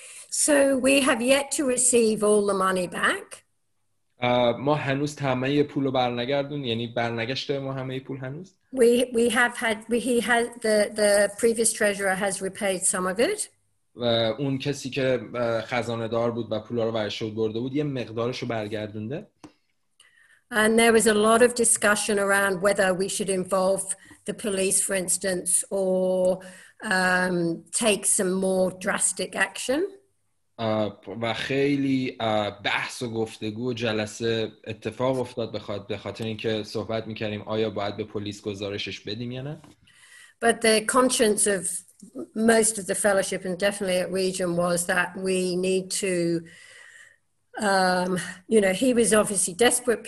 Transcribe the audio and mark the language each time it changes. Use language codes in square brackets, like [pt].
[en] So we have yet to receive all the money back. [fa] ما هنوز تمامی پول رو برنگردون، یعنی برنگشت ما همه پول هنوز. [en] He had the previous treasurer has repaid some of it. [fa] و اون کسی که خزانه دار بود و پول رو ورش برده بود یه مقدارش رو برگردونده. [en] And there was a lot of discussion around whether we should involve the police, for instance, or take some more drastic action. [fa] و خیلی بحث و گفتگو و جلسه اتفاق افتاد به خاطر اینکه صحبت می‌کردیم آیا باید به پلیس گزارشش بدیم یا نه. [en] But the conscience of most of the fellowship and definitely at region was that we need to you know, he was obviously desperate.